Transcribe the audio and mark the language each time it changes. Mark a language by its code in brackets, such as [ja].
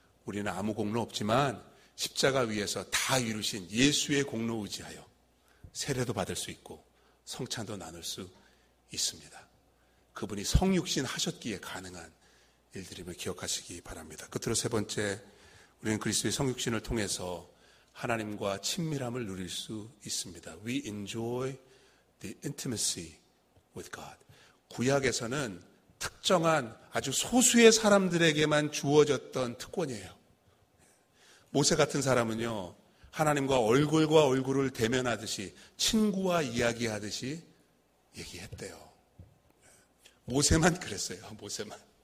[ko] 우리는 아무 공로 없지만 십자가 위에서 다 이루신 예수의 공로 의지하여 세례도 받을 수 있고 성찬도 나눌 수 있습니다. 그분이 성육신 하셨기에 가능한 일들임을 기억하시기 바랍니다. 끝으로 세 번째, 우리는 그리스도의 성육신을 통해서 하나님과 친밀함을 누릴 수 있습니다. [en] We enjoy the intimacy with God. [ko] 구약에서는 특정한 아주 소수의 사람들에게만 주어졌던 특권이에요. 모세 같은 사람은요, 하나님과 얼굴과 얼굴을 대면하듯이 친구와 이야기하듯이 얘기했대요. 모세만 그랬어요. 모세만.